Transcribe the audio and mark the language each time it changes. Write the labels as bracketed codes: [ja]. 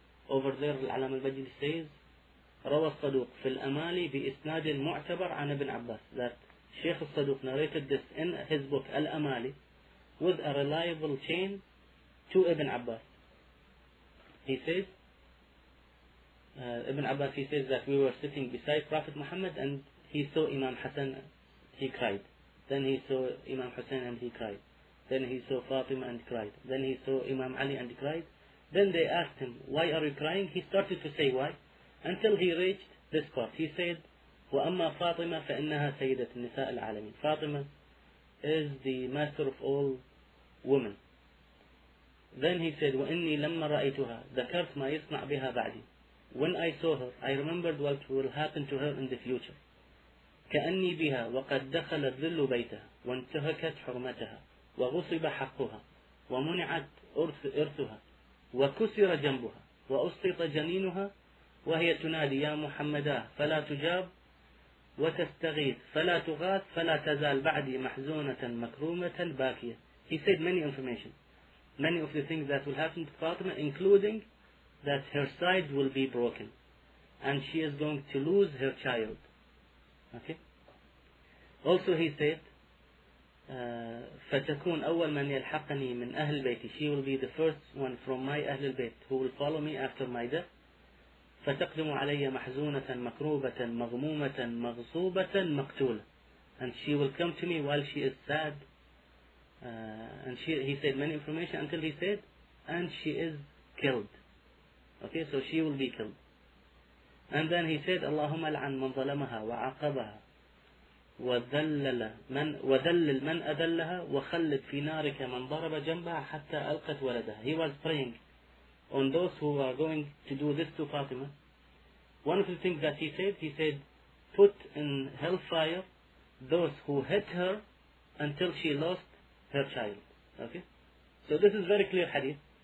[en] Over there, Al-Allama al-Majlisi says, [ar] روى الصدوق في الأمالي بإسناد المعتبر عن ابن عباس. [en] That Sheikh al-Saduq narrated this in his book Al-Amali with a reliable chain to Ibn Abbas. He says, Ibn Abbas, he says that we were sitting beside Prophet Muhammad and he saw Imam Hassan, he cried. Then he saw Imam Hussein and he cried. Then he saw Fatima and cried. Then he saw Imam Ali and cried. Then they asked him, why are you crying? He started to say why, until he reached this part. He said, [ar] وَأَمَّا فَاطِمَا فَإِنَّهَا سَيِّدَةِ النِّسَاءِ الْعَالَمِينَ. [en] Fatima is the master of all women. Then he said, [ar] وَإِنِّي لَمَّا رَأَيْتُهَا ذَكَرْتْ مَا يَصْنَعْ بِهَا بَعْدِي. [en] When I saw her, I remembered what will happen to her in the future. [ar] كأني بها وقد دخلت ذل بيتها وانتهكت حرمتها وغصب حقها ومنعت إرثها وكسر جنبها وأسقط جنينها وهي تنادي يا محمدا فلا تجاب وتستغيث فلا تغاث فلا تزال بعدي محزونة مكرومة باكية. [en] He said many information, many of the things that will happen to Fatima, including that her side will be broken and she is going to lose her child. Okay. Also he said, [ar] فتكون أول من يلحقني من أهل بيتي. [en] She will be the first one from my أهل البيت who will follow me after my death. [ar] فتقدم علي محزونة مكروبة مغمومة مغصوبة مقتولة. [en] And she will come to me while she is sad. And he said many information until he said, and she is killed. Okay, so she will be killed. And then he said, [ar] اللهم لعن من ظلمها وعقبها وذلل من وذلل من أذلها وخلد في نارك من ضرب جنبها حتى ألقت ولدها. [en] He was praying on those who are going to do this to Fatima. One of the things that he said, put in hellfire those who hit her until she lost her child. Okay? So this is very clear hadith.